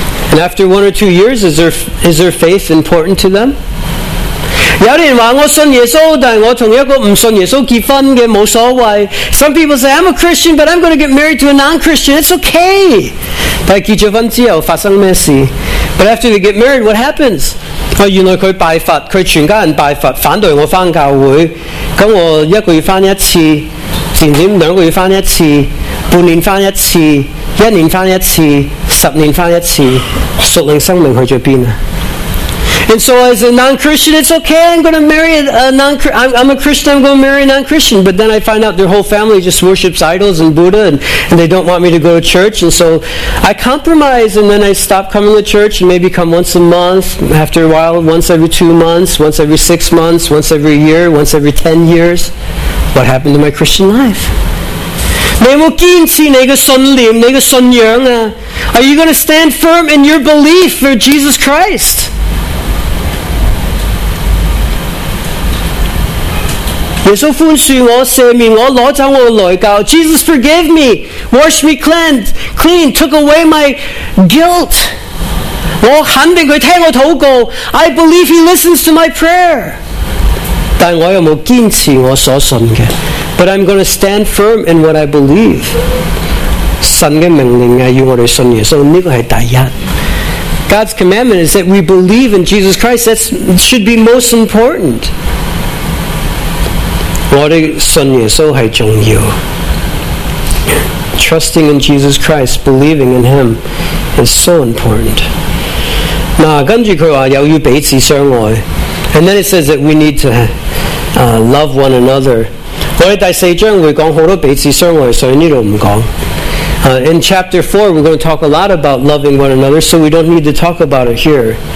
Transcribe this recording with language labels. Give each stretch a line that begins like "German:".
English: And after one or two years, is their faith important to them?
Chinese: 有人说我信耶稣，但我同一个不信耶稣结婚的，无所谓。
English: Some people say, I'm a Christian, but I'm going to get married to a non-Christian. It's okay.
Chinese: 但结婚之后发生什么事?
English: But after they get married, what happens?
Chinese: 原来他拜佛，他全家人拜佛，反对我回教会。那我一个月回一次，渐渐两个月回一次，半年回一次，一年回一次，十年回一次，属灵生命去了哪？
English: And so as a non-Christian, it's okay, I'm a Christian, I'm going to marry a non-Christian. But then I find out their whole family just worships idols and Buddha, and they don't want me to go to church. And so I compromise, and then I stop coming to church, and maybe come once a month, after a while, once every 2 months, once every 6 months, once every year, once every 10 years. What happened to my Christian life?
Chinese: 你有没有坚持你的信念，你的信仰啊?
English: Are you going to stand firm in your belief for Jesus Christ?
Chinese: 耶稣宽恕我，赦免我，拿走我的罪疚。
English: Jesus forgave me, washed me clean, took away my guilt.
Chinese: 我肯定他听我祷告。
English: I believe he listens to my prayer.
Chinese: 但我又没有坚持我所信的。
English: But I'm going to stand firm in what I believe.
Chinese: 神的命令要我们信耶稣，这个是第一。
English: God's commandment is that we believe in Jesus Christ. That should be most important.
Chinese: 我的信耶稣是重要。
English: Trusting in Jesus Christ, believing in Him is so important.
Chinese: 那跟着他说又要彼此相爱。
English: And then it says that we need to love one another.
Chinese: 我们第四章会讲很多彼此相爱，所以这里不讲。
English: In chapter 4, we're going to talk a lot about loving one another, so we don't need to talk about it here.